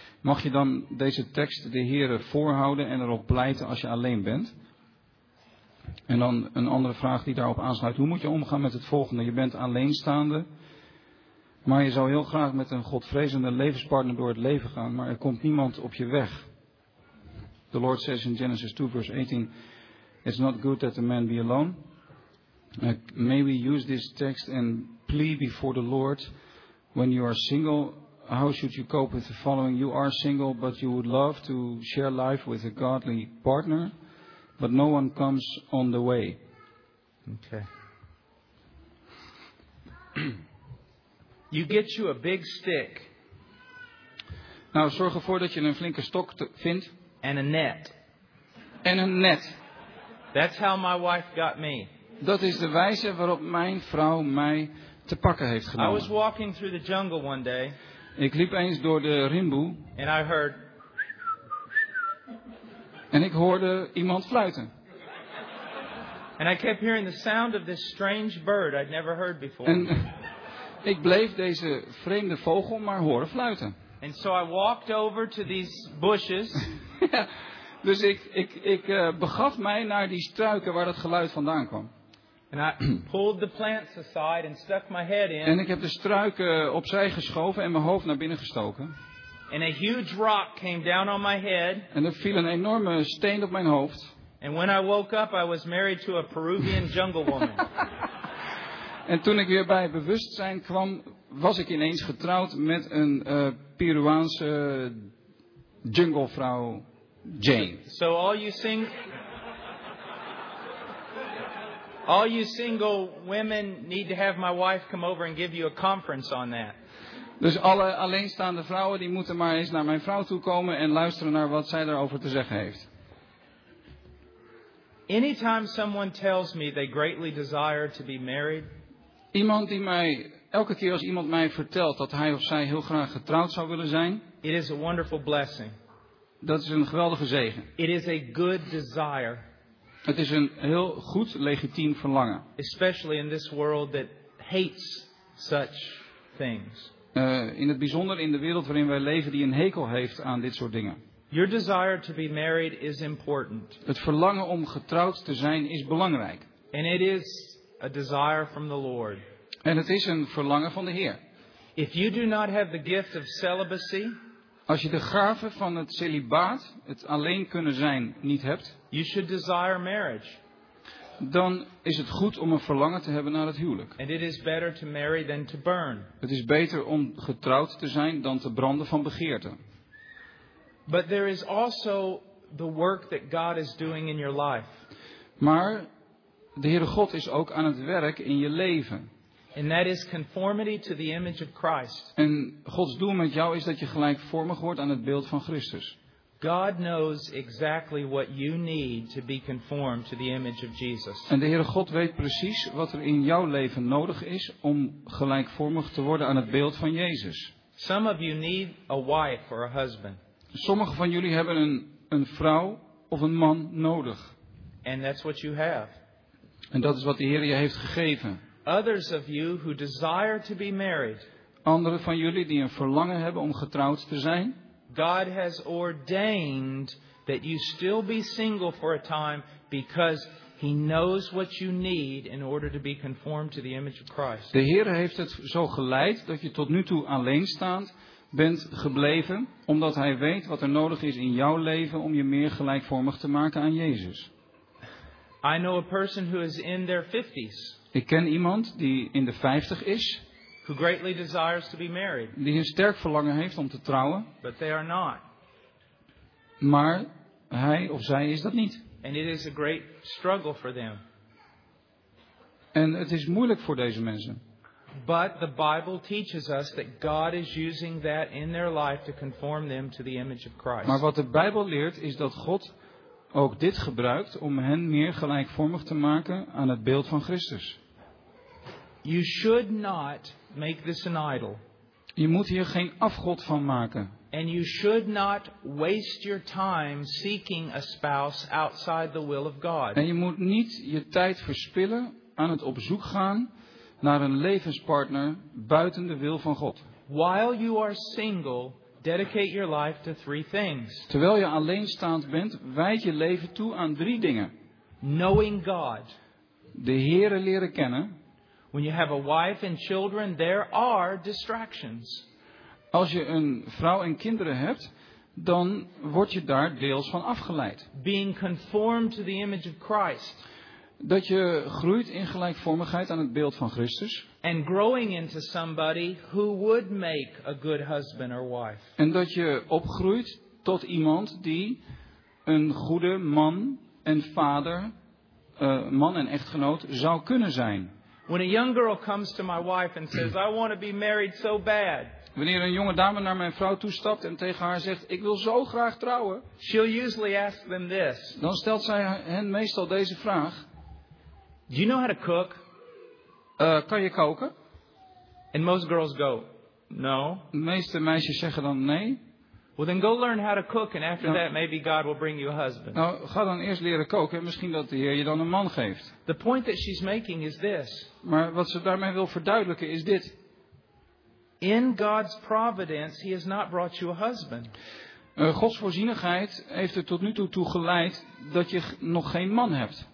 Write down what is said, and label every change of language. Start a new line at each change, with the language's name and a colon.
Dutch: Mag je dan deze tekst de Heere voorhouden en erop pleiten als je alleen bent? En dan een andere vraag die daarop aansluit. Hoe moet je omgaan met het volgende? Je bent alleenstaande, maar je zou heel graag met een godvrezende levenspartner door het leven gaan, maar er komt niemand op je weg.
English: The Lord says in Genesis 2 vers 18, it's not good that a man be alone. May we use this text and plea before the Lord, when you are single, how should you cope with the following? You are single, but you would love to share life with a godly partner, but no one comes on the way. Okay. You get you a big stick.
Dutch: Nou, zorg ervoor dat je een flinke stok vindt.
English: And a net.
Dutch: En een net.
English: That's how my wife got me.
Dutch: Dat is de wijze waarop mijn vrouw mij te pakken heeft genomen.
English: I was walking through the jungle one day.
Dutch: Ik liep eens door de rimboe.
English: And I heard.
Dutch: En ik hoorde iemand fluiten.
English: And I kept hearing the sound of this strange bird I'd never heard before.
Dutch: En ik bleef deze vreemde vogel maar horen fluiten.
English: And so I walked over to these bushes.
Dutch: Ja, dus ik begaf mij naar die struiken waar dat geluid vandaan kwam.
English: And I pulled the plants aside and stuck my head in.
Dutch: En ik heb de struiken opzij geschoven en mijn hoofd naar binnen gestoken.
English: And a huge rock came down on my head.
Dutch: En er viel een enorme steen op mijn hoofd.
English: And when I woke up, I was married to a Peruvian jungle woman.
Dutch: En toen ik weer bij bewustzijn kwam, was ik ineens getrouwd met een Peruaanse junglevrouw, Jane.
English: So all you sing. All you single women need to have my wife come over and give you a conference on that.
Dutch: Dus alle alleenstaande vrouwen die moeten maar eens naar mijn vrouw toe komen en luisteren naar wat zij daarover te zeggen heeft.
English: Anytime someone tells me they greatly desire to be married.
Dutch: Iemand die mij elke keer als iemand mij vertelt dat hij of zij heel graag getrouwd zou willen zijn.
English: It is a wonderful blessing.
Dutch: Dat is een geweldige zegen.
English: It is a good desire.
Dutch: Het is een heel goed, legitiem verlangen.
English: Especially in this world that hates such things.
Dutch: In het bijzonder in de wereld waarin wij leven die een hekel heeft aan dit soort dingen.
English: Your desire to be married is important.
Dutch: Het verlangen om getrouwd te zijn is belangrijk.
English: And it is a desire from the Lord.
Dutch: En het is een verlangen van de Heer.
English: If you do not have the gift of celibacy.
Dutch: Als je de gave van het celibaat, het alleen kunnen zijn, niet hebt.
English: You should desire marriage.
Dutch: dan is het goed om een verlangen te hebben naar het huwelijk.
English: And it is better to marry than to burn.
Dutch: Het is beter om getrouwd te zijn dan te branden van begeerte.
English: But there is also the work that God is doing in your life.
Dutch: Maar de Heere God is ook aan het werk in je leven.
English: And that is conformity to the image of Christ.
Dutch: En Gods doel met jou is dat je gelijkvormig wordt aan het beeld van Christus.
English: God knows exactly what you need to be conformed to the image of Jesus.
Dutch: En de Heere God weet precies wat er in jouw leven nodig is om gelijkvormig te worden aan het beeld van Jezus.
English: Some of you need a wife or a husband.
Dutch: Sommigen van jullie hebben een vrouw of een man nodig.
English: And that's what you have.
Dutch: En dat is wat de Heer je heeft gegeven.
English: Others of you who desire to be married.
Dutch: Anderen van jullie die een verlangen hebben om getrouwd te zijn.
English: God has ordained that you still be single for a time because he knows what you need in order to be conformed to the image of Christ.
Dutch: De Heer heeft het zo geleid dat je tot nu toe alleenstaand bent gebleven omdat hij weet wat er nodig is in jouw leven om je meer gelijkvormig te maken aan Jezus.
English: I know a person who is in their 50s.
Dutch: Ik ken iemand die in de 50 is.
English: Who greatly desires to be married.
Dutch: Die een sterk verlangen heeft om te trouwen.
English: But they are not.
Dutch: Maar hij of zij is dat niet.
English: And it is a great struggle for them.
Dutch: En het is moeilijk voor deze mensen.
English: But the Bible teaches us that God is using that in their life to conform them to the image of Christ.
Dutch: Maar wat de Bijbel leert is dat God ook dit gebruikt om hen meer gelijkvormig te maken aan het beeld van Christus.
English: You should not make this an idol.
Dutch: Je moet hier geen afgod van maken.
English: And you should not waste your time seeking a spouse outside the will of God.
Dutch: En je moet niet je tijd verspillen aan het op zoek gaan naar een levenspartner buiten de wil van God.
English: While you are single, dedicate your life to three things.
Dutch: Terwijl je alleenstaand bent, wijd je leven toe aan drie dingen.
English: Knowing God.
Dutch: De Heere leren kennen.
English: When you have a wife and children, there are distractions.
Dutch: Als je een vrouw en kinderen hebt, dan word je daar deels van afgeleid.
English: Being conformed to the image of Christ.
Dutch: Dat je groeit in gelijkvormigheid aan het beeld van Christus.
English: And growing into somebody who would make a good husband or wife.
Dutch: En dat je opgroeit tot iemand die een goede man en vader, man en echtgenoot zou kunnen zijn.
English: When a young girl comes to my wife and says, I want to be married so bad.
Dutch: Wanneer een jonge dame naar mijn vrouw toestapt en tegen haar zegt, ik wil zo graag trouwen.
English: She'll usually ask them this.
Dutch: Dan stelt zij hen meestal deze vraag.
English: Do you know how to cook?
Dutch: Kan je koken?
English: And most girls go, no.
Dutch: De meeste meisjes zeggen dan nee.
English: Well then go learn how to cook and after that maybe God will bring you a husband.
Dutch: Nou, ga dan eerst leren koken en misschien dat de Heer je dan een man geeft.
English: The point that she's making is this.
Dutch: Maar wat ze daarmee wil verduidelijken is dit.
English: In God's providence he has not brought you a husband.
Dutch: Gods voorzienigheid heeft er tot nu toe geleid dat je nog geen man hebt.